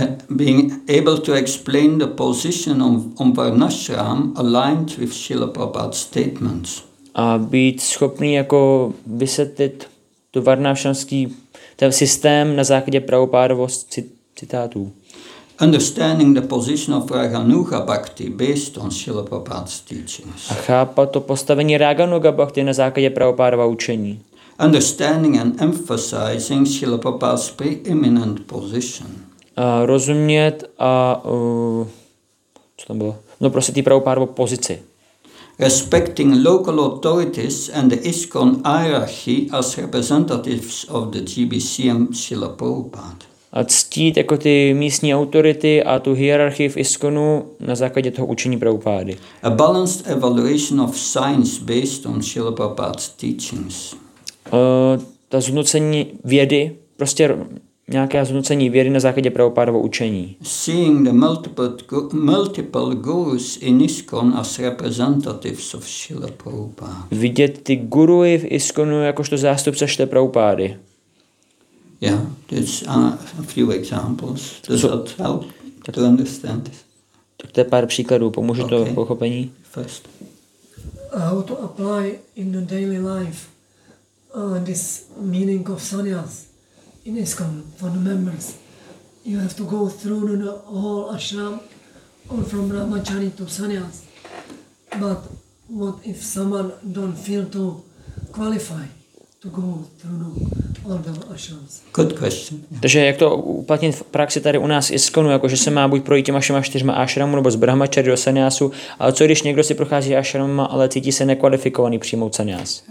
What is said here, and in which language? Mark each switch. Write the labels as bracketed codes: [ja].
[en] Being able to explain the position on Varnashram aligned with Srila Prabhupada's statements. [cs] A být schopný jako vysvětlit tu varnashramský ten systém na základě Prabhupádovo citátů. [en] Understanding the position of Raganuga Bhakti based on Srila Prabhupada's teachings. [cs] A chápat to postavení Raganuga Bhakti na základě Prabhupádova učení. [en] Understanding and emphasizing Srila Prabhupada's preeminent position. [cs] Rozumět a co tam bylo? No prostě tý Prabhupádovo pozici. [en] Respecting local authorities and the ISKCON hierarchy as representatives of the GBC and Srila Prabhupada. [cs] A ctít jako ty místní autority a tu hierarchii v ISKCONu na základě toho učení Prabhupády. [en] A balanced evaluation of science based on Srila Prabhupada's teachings. [cs] Ta zhodnocení vědy, prostě nějaké hodnocení věry na základě Prabhupádovo učení. [en] Seeing the multiple gurus in ISKCON as representatives of Srila Prabhupada. [cs] Vidět ty guruji v ISKCONu jakožto zástupce Srila Prabhupády. [en] Yeah, there's a few examples. Does that help to understand this? [cs] Tak to je pár příkladů, pomůže to v pochopení. [en] First. How to apply in the daily life this meaning of sannyas in ISKCON for the members. You have to go through the whole ashram or from brahmachari to sannyas. But what if someone don't feel to qualify to go through the all the ashrams? Good question. Yeah. [cs] Takže jak to uplatnit v praxi tady u nás ISKCONu, jako že se má buď projít těma všema čtyřma ashramu nebo z brahmachari do sannyasu, ale co když někdo si prochází ashramama, ale cítí se nekvalifikovaný přijmout sannyas?